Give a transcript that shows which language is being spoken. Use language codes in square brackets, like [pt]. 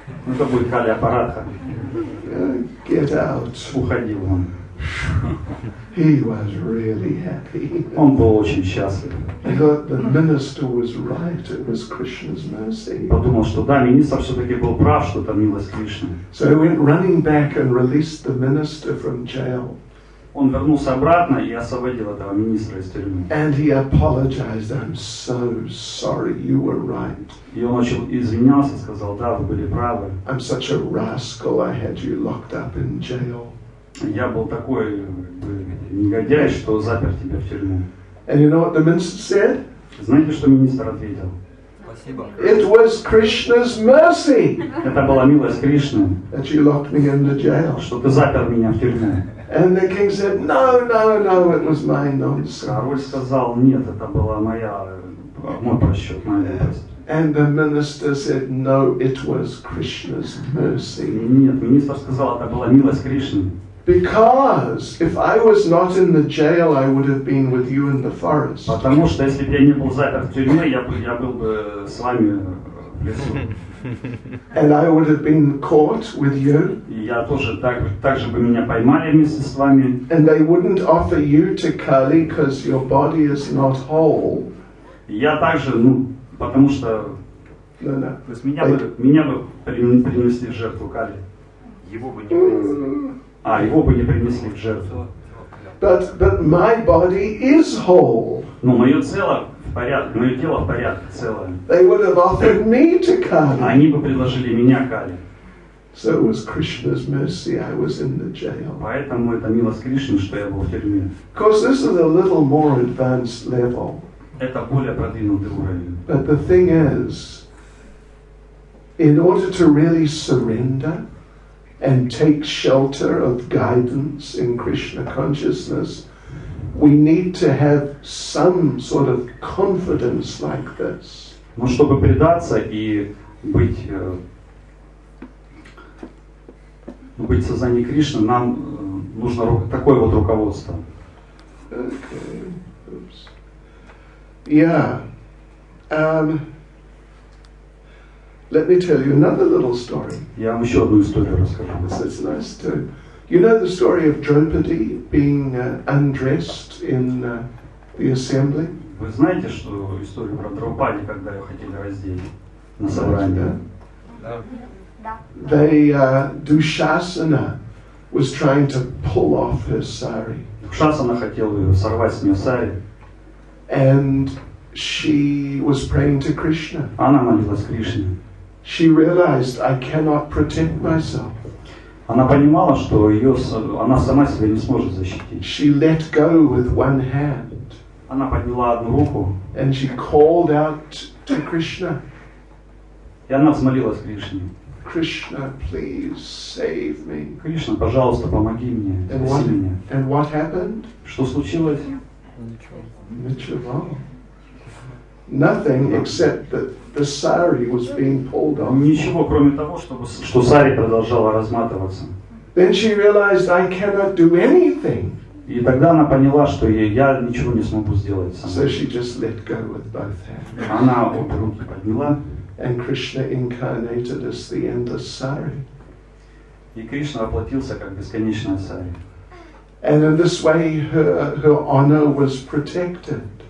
[ru] Ну, это будет Кали Апарадха. [en] Get out. [ru] Уходи вон. [en] He was really happy. [ru] Он был очень счастлив. [en] He thought the minister was right. It was Krishna's mercy. [ru] Подумал, что да, министр все-таки был прав, что это милость Кришны. [en] So he went running back and released the minister from jail. [ru] Он вернулся обратно и освободил этого министра из тюрьмы. [en] And he apologized. I'm so sorry. You were right. [ru] И он начал извинялся, сказал, да, вы были правы. [en] I'm such a rascal. I had you locked up in jail. [ru] Я был такой негодяй, что запер тебя в тюрьму. [en] And you know what the minister said? [ru] Знаете, что министр ответил? Спасибо. [en] It was Krishna's mercy. [ru] Это была милость Кришны. [en] That you locked me in the jail. [ru] Что ты запер меня в тюрьму. [en] And the king said, "No, no, no, it was my nonsense." [ru] Король сказал, нет, это была моя, мой просчет, моя милость. [en] And the minister said, "No, it was Krishna's mercy." [ru] Нет, министр сказал, это была милость Кришны. [en] Because if I was not in the jail, I would have been with you in the forest. [ru] Потому что если бы я не был заперт в тюрьме, я был бы с вами в лесу. [en] And I would have been caught with you. [ru] Я тоже так же бы меня поймали вместе с вами. [en] And they wouldn't offer you to Kali because your body is not whole. [ru] Я также, ну, потому что меня бы принесли в жертву Кали. Его бы не принесли. А его бы не принесли в жертву. [en] But my body is whole. [ru] Но мое тело в порядке, мое тело в порядке целое. [en] They would have offered me to Kali. [ru] Они бы предложили меня Кали. [en] So it was Krishna's mercy. I was in the jail. [ru] Поэтому это милость Кришны, что я был в тюрьме. [en] Because this is a little more advanced level. [ru] Это более продвинутый уровень. [en] But the thing is, in order to really surrender and take shelter of guidance in Krishna consciousness, we need to have some sort of confidence like this. [ru] Но чтобы предаться и быть в сознании Кришны, нам нужно такое вот руководство. [en] Okay. Oops. Yeah. Let me tell you another little story. [ru] Я вам еще одну историю расскажу. [en] It's nice too. You know the story of Draupadi being undressed in the assembly? [ru] Вы знаете, что историю про Драупади, когда ее хотели раздеть на собрании? Да. [en] They Dushasana was trying to pull off her sari. [ru] Dushasana хотел ее сорвать с нее сари. [en] And she was praying to Krishna. [ru] Она молилась Кришне. [en] She realized I cannot protect myself. [ru] Она понимала, что она сама себя не сможет защитить. [en] She let go with one hand. [ru] Она подняла одну руку. [en] And she called out to Krishna. [ru] И она взмолилась Кришне. [en] Krishna, please save me. [ru] Кришна, пожалуйста, помоги мне. [en] And what happened? [ru] Что случилось? Ничего. [en] Nothing except that the sari was being pulled off. [ru] Ничего, кроме того, что сари продолжала разматываться. [en] Then she realized I cannot do anything. [ru] И тогда она поняла, что я ничего не смогу сделать сама. [en] So she just let go with both hands. [ru] Она обе руки подняла. [en] And Krishna incarnated as the endless sari. [ru] И Кришна воплотился как бесконечная сари. [en] And in this way her honor was protected.